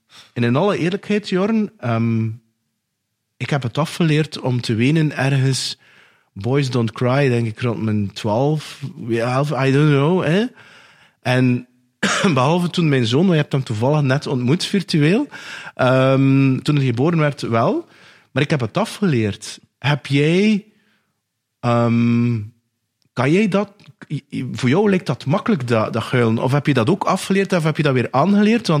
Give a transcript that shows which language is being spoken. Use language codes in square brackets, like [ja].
[nl] En in alle eerlijkheid, Jorn, ik heb het afgeleerd om te wenen ergens. [en] Boys don't cry, [nl] denk ik, rond mijn 12, [en] I don't know. [nl] Hè? En behalve toen mijn zoon, want je hebt hem toevallig net ontmoet virtueel, toen hij geboren werd wel, maar ik heb het afgeleerd. Heb jij, kan jij dat, voor jou lijkt dat makkelijk, dat huilen, of heb je dat ook afgeleerd, of heb je dat weer aangeleerd?